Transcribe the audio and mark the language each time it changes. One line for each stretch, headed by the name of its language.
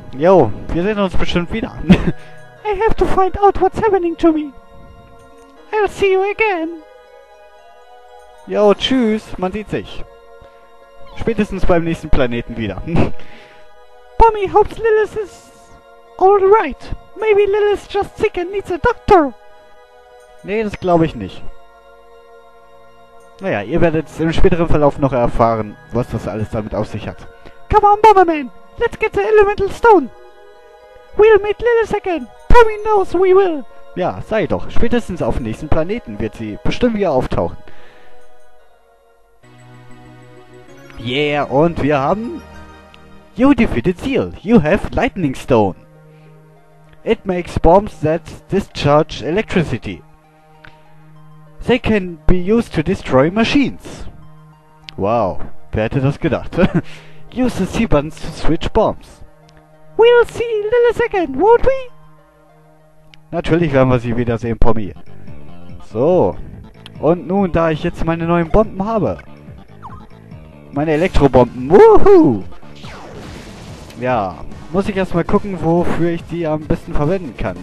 German: Yo, wir sehen uns bestimmt wieder.
English: I have to find out what's happening to me. I'll see you again.
German: Yo, tschüss. Man sieht sich. Spätestens beim nächsten Planeten wieder.
English: Pommy hopes Lilith is alright. Maybe Lilith is just sick and needs a doctor.
German: Nee, das glaube ich nicht. Naja, ihr werdet es im späteren Verlauf noch erfahren, was das alles damit auf sich hat.
English: Come on, Bomberman. Let's get the Elemental Stone. We'll meet Lilith again. Pommy knows we will.
German: Ja, sei doch. Spätestens auf dem nächsten Planeten wird sie bestimmt wieder auftauchen.
English: Yeah,
German: und wir haben...
English: You defeated Zeal. You have Lightning Stone. It makes bombs that discharge electricity. They can be used to destroy machines.
German: Wow, wer hätte das gedacht?
English: Use the C-Buttons to switch bombs. We'll see Lilith again, won't we?
German: Natürlich werden wir sie wiedersehen, Pommy. So. Und nun, da ich jetzt meine neuen Bomben habe. Meine Elektrobomben. Wuhu! Ja, muss ich erstmal gucken, wofür ich die am besten verwenden kann.